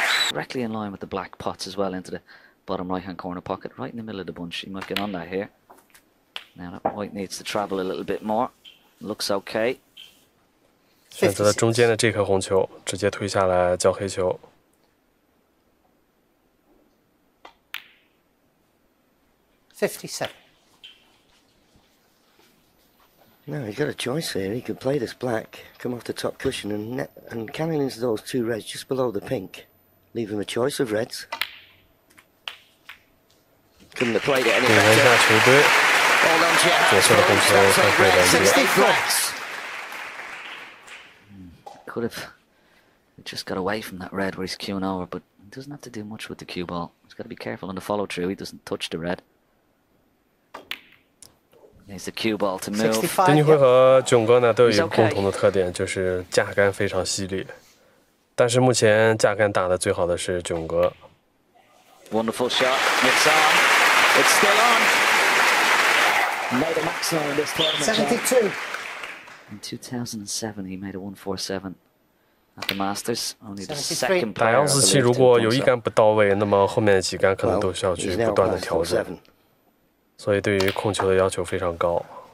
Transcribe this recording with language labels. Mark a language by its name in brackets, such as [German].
[English] Directly in line with the black pots as well into the bottom right hand corner pocket, right in the middle of the bunch. He might get on that here. Now that white needs to travel a little bit more. Looks okay. [Chinese] 选择了中间的这颗红球，直接推下来交黑球。 [English] 57. No, he's got a choice here. He could play this black, come off the top cushion, and net, and cannon into those two reds just below the pink, leave him a choice of reds. Couldn't have played it any better. [Chinese] 下球堆，解释了红球犯规的意义。 [English] Could have just got away from that red where he's queuing over, but he doesn't have to do much with the cue ball. He's got to be careful on the follow through. He doesn't touch the red. [Chinese] 丁俊晖和囧哥呢都有一个共同的特点，就是架杆非常犀利，但是目前架杆打的最好的是囧哥。 [English] Wonderful shot, it's on, it's still on. Made a maximum in this tournament. 72. In 2007, he made a 147 at the Masters, only the second player. [Chinese] 打147如果有一杆不到位，那么后面的几杆可能都需要去不断的调整。所以对于控球的要求非常高。